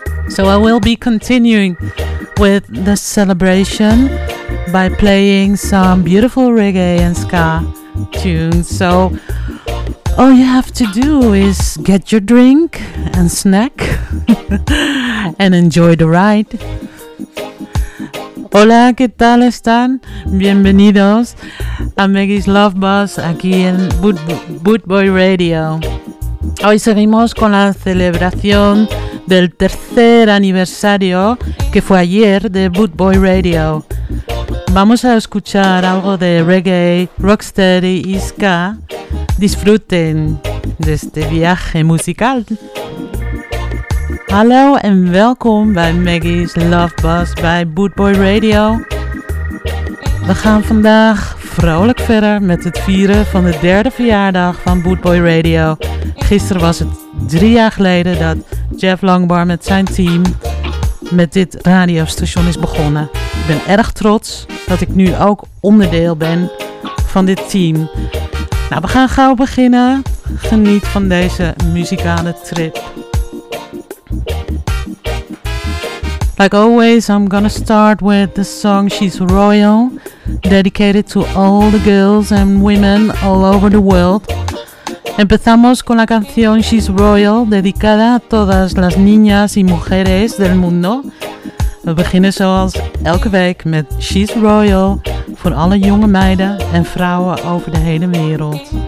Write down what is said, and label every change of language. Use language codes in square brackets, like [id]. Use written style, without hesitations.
[en] So I will be continuing with the celebration by playing some beautiful reggae and ska tunes. So all you have to do is get your drink and snack and enjoy the ride. [es] Hola, ¿qué tal están? Bienvenidos a Maggie's Love Bus aquí en Boot Boy Radio. Hoy seguimos con la celebración del tercer aniversario, que fue ayer, de Boot Boy Radio. Vamos a escuchar algo de reggae, rocksteady y ska. Disfruten de este viaje musical. [nl] Hallo en welkom bij Maggie's Love Bus bij Boot Boy Radio. We gaan vandaag vrolijk verder met het vieren van de derde verjaardag van Boot Boy Radio. Gisteren was het 3 jaar geleden dat Jeff Longbar met zijn team met dit radiostation is begonnen. Ik ben erg trots dat ik nu ook onderdeel ben van dit team. Nou, we gaan gauw beginnen. Geniet van deze muzikale trip. [en] Like always, I'm gonna start with the song She's Royal, dedicated to all the girls and women all over the world. [es] Empezamos con la canción She's Royal, dedicada a todas las niñas y mujeres del mundo. [nl] We beginnen zoals elke week met She's Royal voor alle jonge meiden en vrouwen over de hele wereld.